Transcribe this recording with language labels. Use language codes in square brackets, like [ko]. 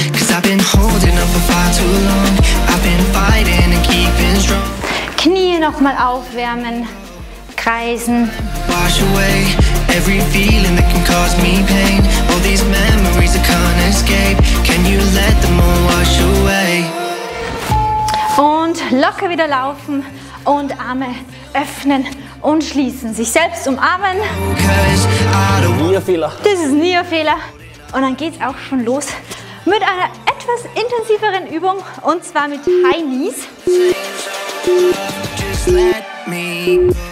[en] Cause I've been holding up for far too long. I've been fighting and keeping strong. [de] Knie nochmal aufwärmen, kreisen. [en] Wash away every feeling that can cause me pain. All these memories I can't escape. Can you let them all wash away? [de] Und locker wieder laufen und Arme öffnen und schließen. Sich selbst umarmen. Das ist nie ein Fehler. Und dann geht's auch schon los mit einer etwas intensiveren Übung und zwar mit High Knees.